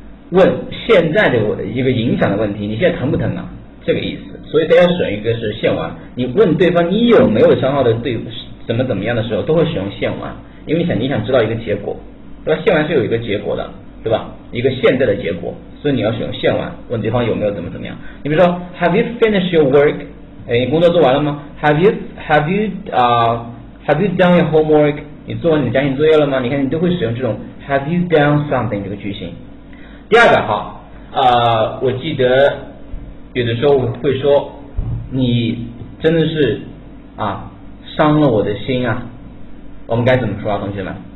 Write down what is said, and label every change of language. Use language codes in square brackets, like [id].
[zh] 问现在的我的一个影响的问题，你现在疼不疼啊？这个意思，所以大家使用一个是现完，你问对方你有没有伤到的对怎么怎么样的时候，都会使用现完，因为你想知道一个结果，对吧？现完是有一个结果的，对吧？一个现在的结果，所以你要使用现完，问对方有没有怎么怎么样。你比如说， [en] Have you finished your work？ [zh] 哎，你工作做完了吗？ [en] Have you done your homework？ [zh] 你做完你的家庭作业了吗？你看你都会使用这种 [en] Have you done something [zh] 这个句型。第二个哈，我记得有的时候我会说，你真的是伤了我的心啊，我们该怎么说啊，同学们？